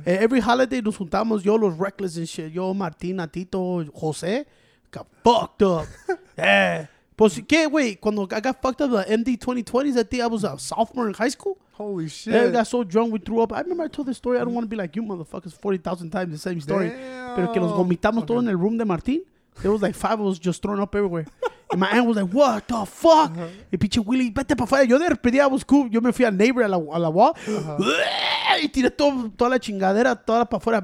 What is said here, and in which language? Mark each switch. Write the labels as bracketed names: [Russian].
[English] Every holiday, [Spanish] nos juntamos, yo los [English] reckless and shit. Yo, Martina, Tito, Jose, got fucked up. Yeah. [Spanish] Pues, ¿qué, güey? [English] Cuando I got fucked up at the MD-2020s, I think I was a sophomore in high school. Holy shit. I got so drunk, we threw up. I remember I told this story. I don't want to be like you motherfuckers 40,000 times the same story. [Spanish] Pero que nos vomitamos todo en el room de Martín. [English] There was like 5 of us just thrown up everywhere. And my aunt was like, what the fuck? [Spanish] Y pinche Willy, vete pa' fuera. Yo de repente, [English] I was cool. [Spanish] Yo me fui a neighbor a la wall. y tiré toda la chingadera, toda para afuera.